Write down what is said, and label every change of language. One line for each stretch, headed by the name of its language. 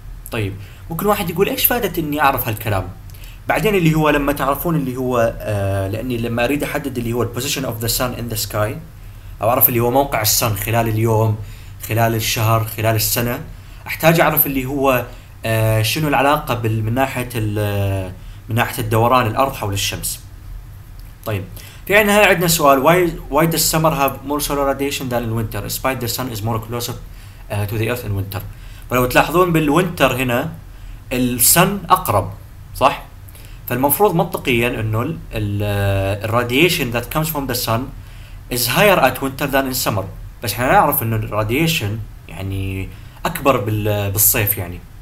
Arabic: طيب ممكن واحد يقول إيش فائدة إني أعرف هالكلام؟ بعدين اللي هو لما تعرفون اللي هو لأني لما أريد أحدد اللي هو
English: position of the sun in the sky,
Arabic: أو أعرف اللي هو موقع السن خلال اليوم خلال الشهر خلال السنة, احتاج اعرف اللي هو شنو العلاقة من ناحية من ناحية الدوران الأرض حول الشمس. طيب في النهاية عندنا سؤال,
English: why does summer have more solar radiation than in winter despite the sun is more closer to the earth in winter.
Arabic: فلو تلاحظون بالوينتر هنا السن أقرب صح, فالمفروض منطقيا أنه الراديشن
English: that comes from the sun is higher at winter than in summer.
Arabic: بس احنا نعرف أنه الراديشن يعني أكبر بالصيف يعني.